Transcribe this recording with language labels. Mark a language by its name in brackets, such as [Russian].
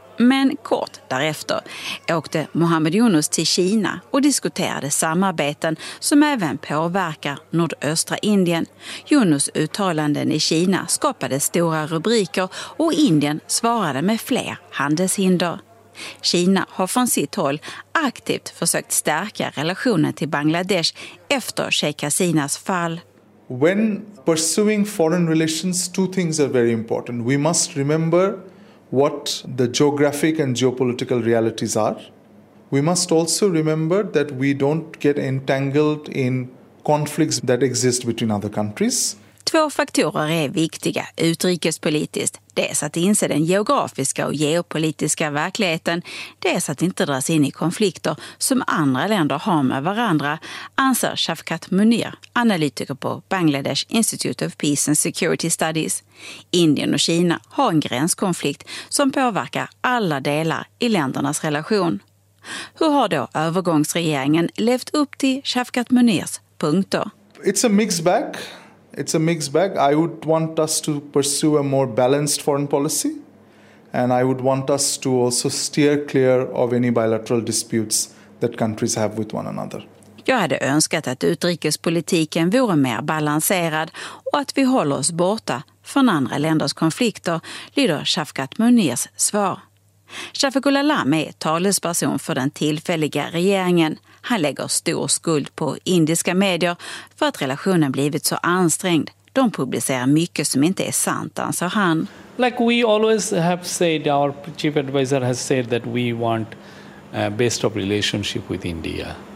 [Swedish] Men kort därefter åkte Mohammed Yunus till Kina och diskuterade samarbeten som även påverkar nordöstra Indien. Yunus uttalanden i Kina skapade stora rubriker och Indien svarade med fler handelshinder. Kina har från sitt håll aktivt försökt stärka relationen till Bangladesh efter Sheikh Hasinas fall. [English] When pursuing foreign relations, two things are very important. We must remember what the geographic and geopolitical realities are. We must also remember that we don't get entangled in conflicts that exist between other countries. [Swedish] Två faktorer är viktiga utrikespolitiskt. Dels att inse den geografiska och geopolitiska verkligheten. Dels att inte dras in i konflikter som andra länder har med varandra, anser Shafkat Munir, analytiker på Bangladesh Institute of Peace and Security Studies. Indien och Kina har en gränskonflikt som påverkar alla delar i ländernas relation. Hur har då övergångsregeringen levt upp till Shafkat Munirs punkter? [English] It's a mixed bag. It's a mixed bag. I would want us to pursue a more balanced foreign policy, and I would want us to also steer clear of any bilateral disputes that countries have with one another. [Swedish] Jag hade önskat att utrikespolitiken vore mer balanserad och att vi håller oss borta från andra länders konflikter, lyder Shafkat Munirs svar. Shafiqul Alam är talesperson för den tillfälliga regeringen. Han lägger stor skuld på indiska medier för att relationen blivit så ansträngd. De publicerar mycket som inte är sant, anser han. [English] Like we always have said, our chief advisor has said that we want a best of relationship with India.